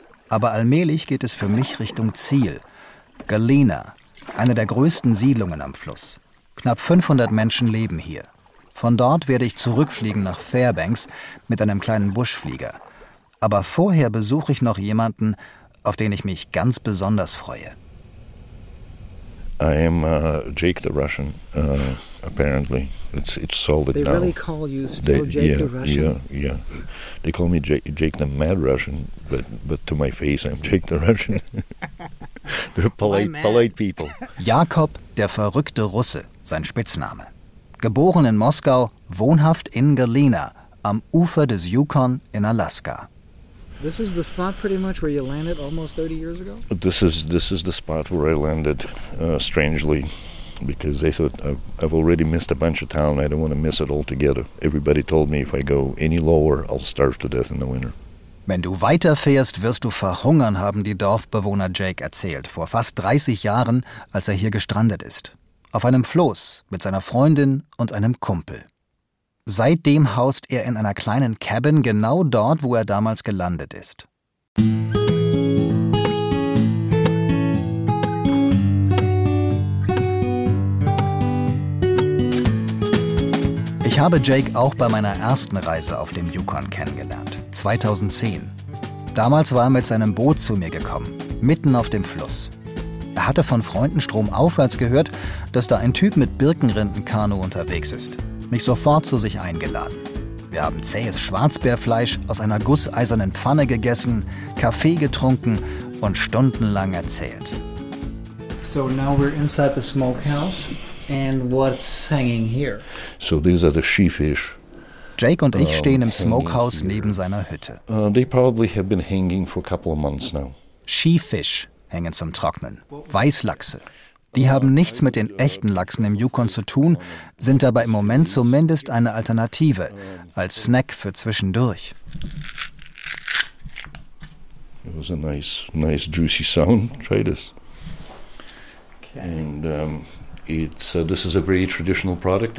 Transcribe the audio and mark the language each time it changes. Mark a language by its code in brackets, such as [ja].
[de] Aber allmählich geht es für mich Richtung Ziel. Galena, eine der größten Siedlungen am Fluss. Knapp 500 Menschen leben hier. Von dort werde ich zurückfliegen nach Fairbanks mit einem kleinen Buschflieger. Aber vorher besuche ich noch jemanden, auf den ich mich ganz besonders freue. [en] I am Jake the Russian, apparently. It's sold it they now. They really call you still they, Jake yeah, the Russian? Yeah, yeah. They call me Jake the Mad Russian, but to my face I'm Jake the Russian. They're polite people. [de] Jakob, der verrückte Russe, sein Spitzname. Geboren in Moskau, wohnhaft in Galena, am Ufer des Yukon in Alaska. [en] This is the spot pretty much where you landed almost 30 years ago? This is the spot where I landed, strangely, because they thought I've already missed a bunch of town. I don't want to miss it altogether. Everybody told me if I go any lower, I'll starve to death in the winter. [de] Wenn du weiterfährst, wirst du verhungern, haben die Dorfbewohner Jake erzählt, vor fast 30 Jahren, als er hier gestrandet ist. Auf einem Floß mit seiner Freundin und einem Kumpel. Seitdem haust er in einer kleinen Cabin genau dort, wo er damals gelandet ist. Ich habe Jake auch bei meiner ersten Reise auf dem Yukon kennengelernt, 2010. Damals war er mit seinem Boot zu mir gekommen, mitten auf dem Fluss. Er hatte von Freunden stromaufwärts gehört, dass da ein Typ mit Birkenrindenkanu unterwegs ist. Mich sofort zu sich eingeladen. Wir haben zähes Schwarzbärfleisch aus einer gusseisernen Pfanne gegessen, Kaffee getrunken und stundenlang erzählt. [en] So now we're inside the smokehouse and what's hanging here? So these are the sheefish. [de] Jake und ich stehen im Smokehouse neben seiner Hütte. [en] They probably have been hanging for a couple of months now. [de] Sheefish hängen zum Trocknen. Weißlachse. Die haben nichts mit den echten Lachsen im Yukon zu tun, sind aber im Moment zumindest eine Alternative, als Snack für zwischendurch. [en] It was a nice juicy sound. Try this. Okay. And this is a very traditional product.